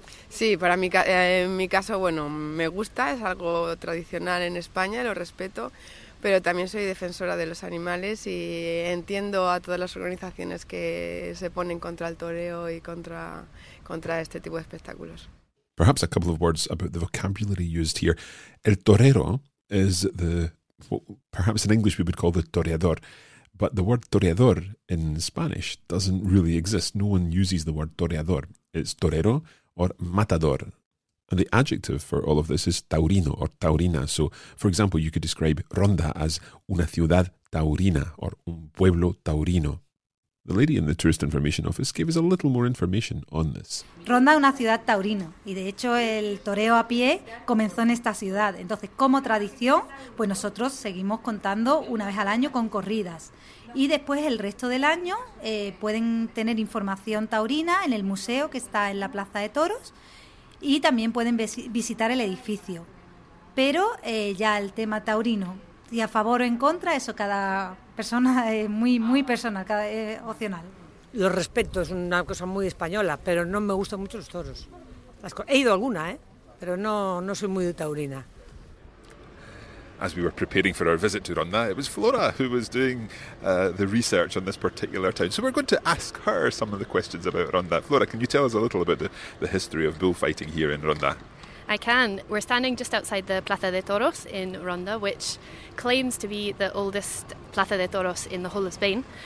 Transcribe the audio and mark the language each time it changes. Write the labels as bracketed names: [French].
[Spanish] Sí, para mí, en mi caso, bueno, me gusta, es algo tradicional en España, lo respeto, pero también soy defensora de los animales y entiendo a todas las organizaciones que se ponen contra el toreo y contra este tipo de espectáculos. [English] Perhaps a couple of words about the vocabulary used here. El torero is the, perhaps in English we would call the toreador, but the word toreador in Spanish doesn't really exist. No one uses the word toreador. It's torero or matador. And the adjective for all of this is taurino or taurina. So, for example, you could describe Ronda as [Spanish] una ciudad taurina [English] or [Spanish] un pueblo taurino. [English] The lady in the tourist information office gave us a little more information on this. [Spanish] Ronda es una ciudad taurina y de hecho el toreo a pie comenzó en esta ciudad. Entonces, como tradición, pues nosotros seguimos contando una vez al año con corridas. Y después el resto del año pueden tener información taurina en el museo que está en la Plaza de Toros. Y también pueden visitar el edificio. Pero ya el tema taurino, y a favor o en contra, eso cada persona es muy personal, opcional. Lo respeto, es una cosa muy española, pero no me gustan mucho los toros. He ido alguna, pero no soy muy de taurina. [English] As we were preparing for our visit to Ronda, it was Flora who was doing the research on this particular town. So we're going to ask her some of the questions about Ronda. Flora, can you tell us a little about the history of bullfighting here in Ronda? I can. We're standing just outside the Plaza de Toros in Ronda, which claims to be the oldest Plaza de Toros in the whole of Spain.